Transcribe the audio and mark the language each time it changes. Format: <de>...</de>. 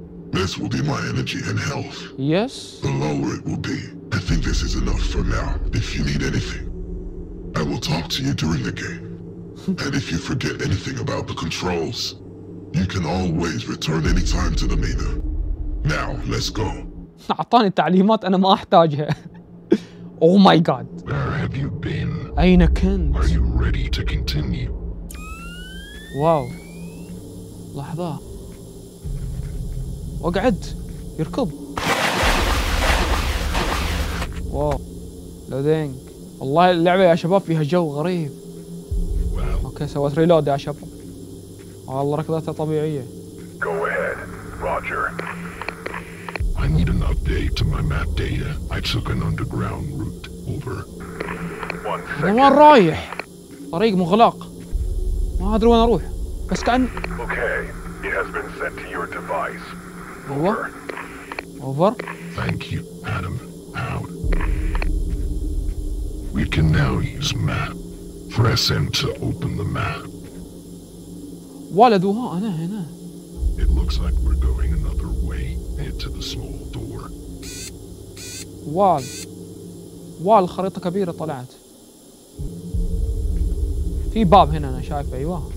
<en>This will be my energy and health. Yes. The lower it will be. I think this is enough for now. If you need anything, I will talk to you during the game. And if you forget anything about the controls, you can always return anytime to the meter. Now, let's go.</en> <ar>أعطاني تعليمات أنا ما أحتاجها.</ar> <en>Oh my god. Where have you been?</en> <ar>أين كنت?</ar> <en>Are you ready to continue?</en> <ar>واو. لحظة. وقعد. يركض. واو. لودينج. والله اللعبة يا شباب فيها جو غريب.</ar> <en>Well.</en> <ar>اوكي سويت ريلود يا شباب. والله ركضتها طبيعية.</ar> <en>Go ahead. Roger. I need an update to my map data. I took an underground route. Over.</en> <ar>أنا وين رايح؟ طريق مغلق. ما أدري وين أروح. بس كأن.</ar> <en>Okay. It has been sent to your device. Over. Over. Thank you, Adam. Out. We can now use map. Press M to open the map.</en> <ar>ولد وها أنا هنا.</ar> <en>It looks like we're going another way. Into the small door. Wall.</en> <ar>Wall خريطة كبيرة طلعت. في باب هنا أنا شايفه أيوة.</ar>